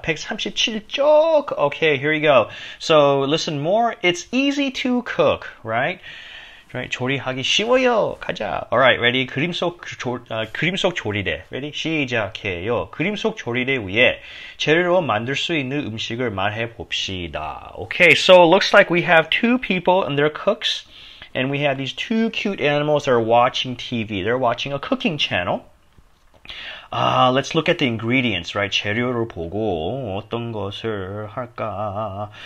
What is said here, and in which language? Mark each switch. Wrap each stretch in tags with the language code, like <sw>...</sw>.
<en>137 쪽. Okay, here you go. So, listen more. It's easy to cook, right? Right?</en> <ko>조리하기 쉬워요. 가자.</ko> <en>Alright, ready?</en> <ko>그림 속 조리대.</ko> <en>Ready?</en> <ko>시작해요. 그림 속 조리대 위에 재료로 만들 수 있는 음식을 말해 봅시다.</ko> <en>Okay, so it looks like we have two people and they're cooks. And we have these two cute animals that are watching TV. They're watching a cooking channel. Let's look at the ingredients, right?</en> <ko>재료를 보고 어떤 것을 할까?</ko>